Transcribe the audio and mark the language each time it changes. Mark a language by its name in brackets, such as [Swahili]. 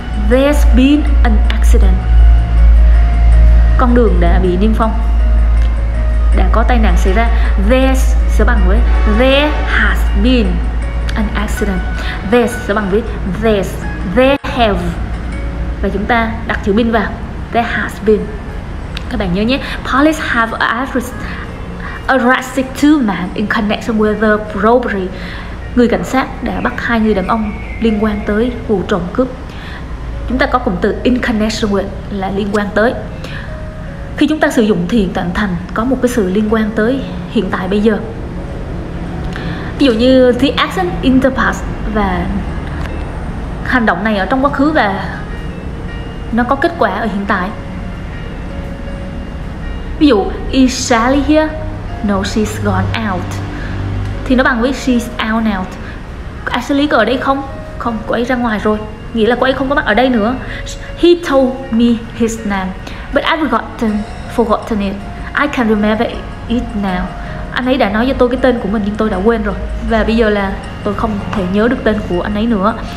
[English] There's been an accident. [Vietnamese] Con đường đã bị niêm phong, đã có tai nạn xảy ra. [English] There's [Vietnamese] sẽ bằng với [English] there has been an accident. [Vietnamese] There's sẽ bằng với there's. There have, và chúng ta đặt chữ been vào. [English] There has been. [Vietnamese] Các bạn nhớ nhé. [English] Police have arrested two men in connection with the robbery. [Vietnamese] Người cảnh sát đã bắt hai người đàn ông liên quan tới vụ trộm cướp. Chúng ta có cụm từ [English] in connection with [Vietnamese] là liên quan tới. Khi chúng ta sử dụng thì hiện tại thành có một cái sự liên quan tới hiện tại bây giờ. Ví dụ như [English] the action in the past, [Vietnamese] và hành động này ở trong quá khứ và nó có kết quả ở hiện tại. Ví dụ [English] is Sally here? No, she's gone out. [Vietnamese] Thì nó bằng với [English] she's out now. Actually, [Vietnamese] cô ở đây không? Không, cô ấy ra ngoài rồi. Nghĩa là cô ấy không có mặt ở đây nữa. [English] He told me his name, but I've forgotten it. I can't remember it now. [Vietnamese] Anh ấy đã nói cho tôi cái tên của mình, nhưng tôi đã quên rồi. Và bây giờ là tôi không thể nhớ được tên của anh ấy nữa.